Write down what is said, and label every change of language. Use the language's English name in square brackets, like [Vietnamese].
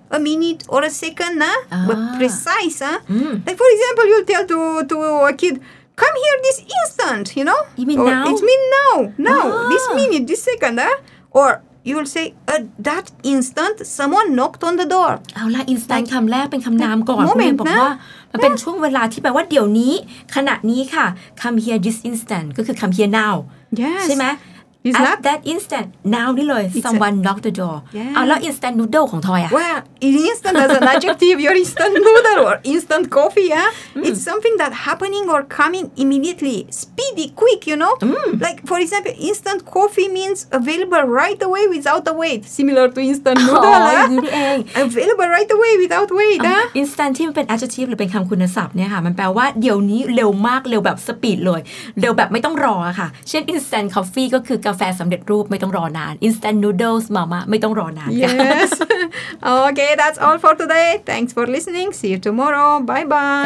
[English] A minute or a second, nah? But precise, huh? Mm. Like for example, you'll tell to a kid, come here this instant, you know? You mean or now? It means now. Now. Oh. This minute, this second, huh? Or you'll say, at that instant, someone knocked on the door. [Thai] เอาล่ะ instant คำแรกเป็นคำนามก่อนคุณแม่บอกว่ามันเป็นช่วงเวลาที่แปลว่าเดี๋ยวนี้ขณะนี้ค่ะ [English] come here this instant [Thai] ก็คือ [English] come here now. Yes. [Thai] ใช่ไหม [English] Is At that instant, now นี่เลย someone knocked the door. Yeah. [Thai] แล้ว instant noodle ของทอยอะ [English] Well, instant as an adjective, your instant noodle or instant coffee, yeah? It's something that happening or coming immediately, speedy, quick, you know? Like, for example, instant coffee means available right away without a wait. Similar to instant noodle, huh? Oh, available right away without wait, huh? [Thai] Instant ที่มันเป็น adjective หรือเป็นคำคุณศัพท์เนี่ยค่ะมันแปลว่าเดี๋ยวนี้เร็วมากเร็วแบบสปีดเลยเร็วแบบไม่ต้องรออะค่ะเช่น instant coffee ก็คือกาแฟสำเร็จรูปไม่ต้องรอนาน instant noodles มาม่าไม่ต้องรอนาน [English] yes okay that's all for today thanks for listening see you tomorrow bye bye